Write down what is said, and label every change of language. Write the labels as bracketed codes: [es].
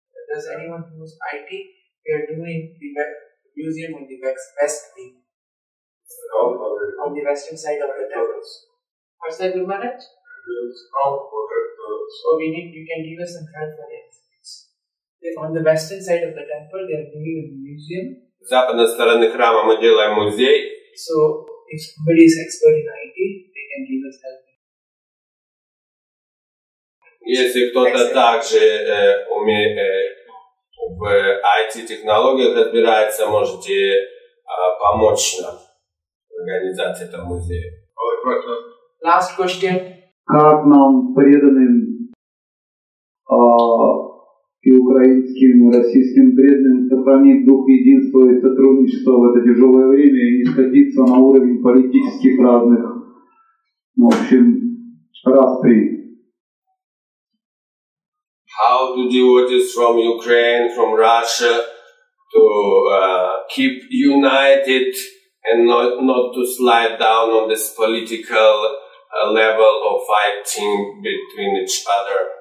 [en] Does anyone who knows IT, we are doing the museum on the West Wing. On the western side of the temples. What's that, Guru Maharaj? You can give us some help for it. On the western side of the temple, they are doing a museum. [ru] Западной стороны храма мы делаем музей. [en] So, if somebody is expert in IT, they can give us help. [ru] Если кто-то также в IT-технологиях разбирается, можете помочь нам в организации этого музея. [en] Last question. [ru] Как нам преданным и украинским, и российским преданным сохранить дух единства и сотрудничества в это тяжелое время и не сходиться на уровень политических разных, в общем, распри? [en] How do devotees from Ukraine, from Russia, to keep united and not to slide down on this political level of fighting between each other?